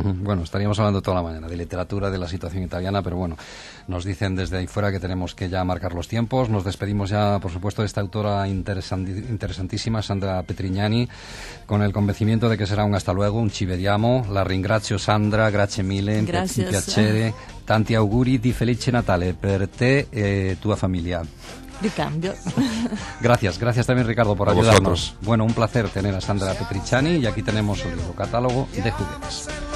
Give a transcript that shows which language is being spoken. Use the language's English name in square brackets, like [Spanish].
[Spanish] Bueno, estaríamos hablando toda la mañana de literatura, de la situación italiana, pero bueno, nos dicen desde ahí fuera que tenemos que ya marcar los tiempos. Nos despedimos ya, por supuesto, de esta autora interesantísima, Sandra Petrignani, con el convencimiento de que será un hasta luego, un [Italian] ci vediamo. La ringrazio, Sandra, grazie mille. [Spanish] Gracias. [Italian] Piacere, tanti auguri di felice Natale per te e tua famiglia. Di cambio. [Spanish] Gracias también, Ricardo, por ayudarnos. Bueno, un placer tener a Sandra Petrignani, y aquí tenemos el libro catálogo de juguetes.